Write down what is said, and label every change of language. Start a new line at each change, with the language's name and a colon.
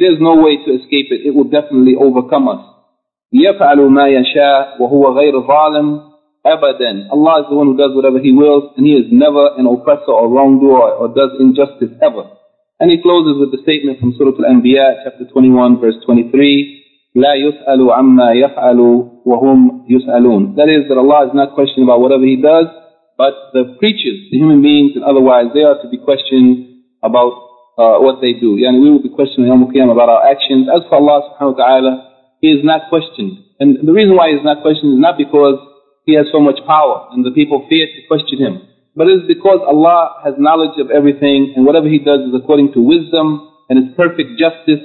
English: There's no way to escape it. It will definitely overcome us.
Arabic: يَفْعَلُ مَا يَشَاءُ وَهُوَ غَيْرُ ظَالِمٍ أَبَدًا.
English: Allah is the one who does whatever He wills, and He is never an oppressor or wrongdoer or does injustice ever. And he closes with the statement from Surah Al-Anbiya, chapter 21, verse 23,
Arabic: لا يسألوا عما يفعلوا وهم يسألون.
English: That is that Allah is not questioned about whatever He does, but the creatures, the human beings, and otherwise, they are to be questioned about what they do. Yani we will be questioned on Qiyam about our actions. As for Allah subhanahu wa ta'ala, He is not questioned. And the reason why He is not questioned is not because He has so much power and the people fear to question Him, but it is because Allah has knowledge of everything, and whatever He does is according to wisdom and it's perfect justice.